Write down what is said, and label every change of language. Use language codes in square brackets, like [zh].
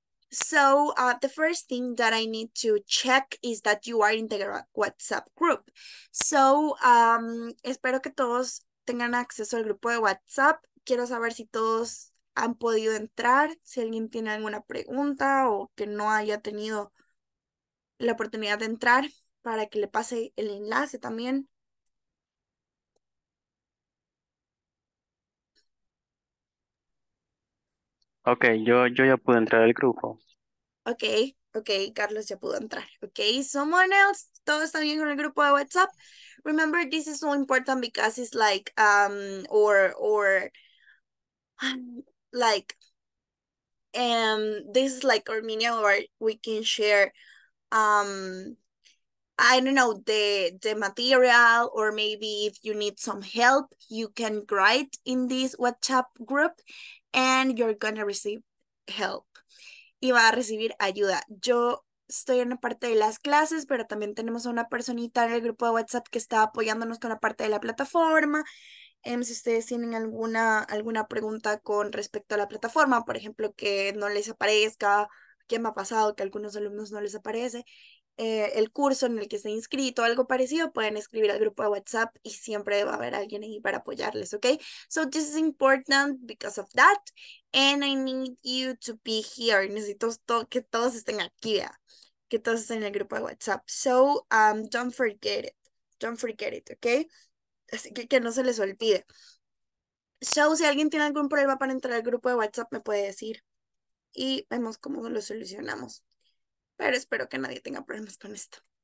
[en] So the first thing that I need to check is that you are in the WhatsApp group. [es] So espero que todos tengan acceso al grupo de WhatsApp. Quiero saber si todos han podido entrar, si alguien tiene alguna pregunta o que no haya tenido la oportunidad de entrar, para que le pase el enlace también. Ok, yo ya pude entrar al grupo. Ok, Carlos ya pudo entrar. Ok, [en] someone else, [es] ¿todo está bien con el grupo de WhatsApp? [en] Remember, this is so important because it's like, this is like Armenia, where we can share, I don't know, the material, or maybe if you need some help, you can write in this WhatsApp group, and you're gonna receive help. [es] Y va a recibir ayuda. Yo estoy en la parte de las clases, pero también tenemos a una personita en el grupo de WhatsApp que está apoyándonos con la parte de la plataforma. Si ustedes tienen alguna pregunta con respecto a la plataforma, por ejemplo, que no les aparezca, qué me ha pasado, que a algunos alumnos no les aparece, el curso en el que esté inscrito, algo parecido, pueden escribir al grupo de WhatsApp y siempre va a haber alguien ahí para apoyarles, ¿ok? [en] So this is important because of that, and I need you to be here. [es] Necesito que todos estén aquí, ¿verdad? Que todos estén en el grupo de WhatsApp. [en] So don't forget it, [es] ¿ok? Así que no se les olvide. So, si alguien tiene algún problema para entrar al grupo de WhatsApp, me puede decir. Y vemos cómo lo solucionamos. Pero espero que nadie tenga problemas con esto.